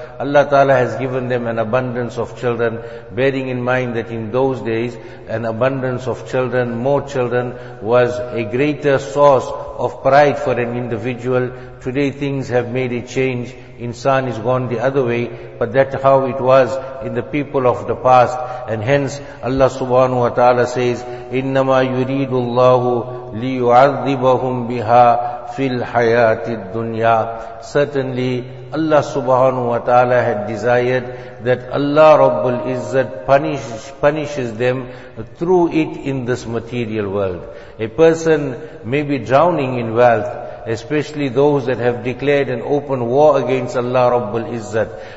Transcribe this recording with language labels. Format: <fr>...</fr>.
<en>Allah ta'ala has given them an abundance of children, bearing in mind that in those days an abundance of children, more children, was a greater source of pride for an individual. Today things have made a change. Insan is gone the other way, but that's how it was in the people of the past. And hence Allah subhanahu wa ta'ala says,</en> <ar>إِنَّمَا يُرِيدُ اللَّهُ لِيُعَذِّبَهُمْ بِهَا فِي الْحَيَاةِ الدُّنْيَا.</ar> <en>Certainly Allah subhanahu wa ta'ala had desired that Allah Rabbul Izzat punishes them through it in this material world. A person may be drowning in wealth, especially those that have declared an open war against Allah Rabbul Izzat.</en>